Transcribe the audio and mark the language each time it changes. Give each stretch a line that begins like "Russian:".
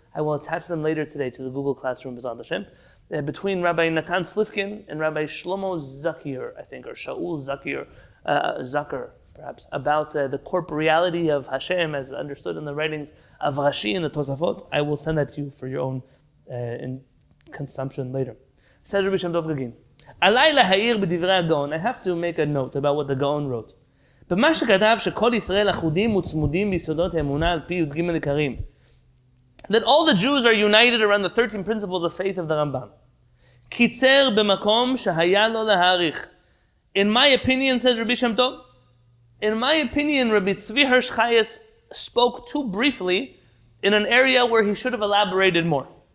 English: I will attach them later today to the Google Classroom, B'zat Hashem, between Rabbi Natan Slifkin and Rabbi Shlomo Zakir, I think, or Shaul Zakir, Zakir, perhaps, about the corporeality of Hashem as understood in the writings of Rashi in the Tosafot. I will send that to you for your own in consumption later. Says Rabbi Shem Dov Gagin, I have to make a note about what the Gaon wrote.
Hebrew: במה שכתב שכל ישראל אחודים וצמודים ביסודות האמונה על פי י"ג עיקרים.
English: That all the Jews are united around the 13 principles of faith of the Rambam.
Hebrew: קיצר במקום שהיה לו להאריך.
English: In my opinion, says Rabbi Shem Tov, in my opinion, Rabbi Tzvi Hirsch Chayes spoke too briefly in an area where he should have elaborated more.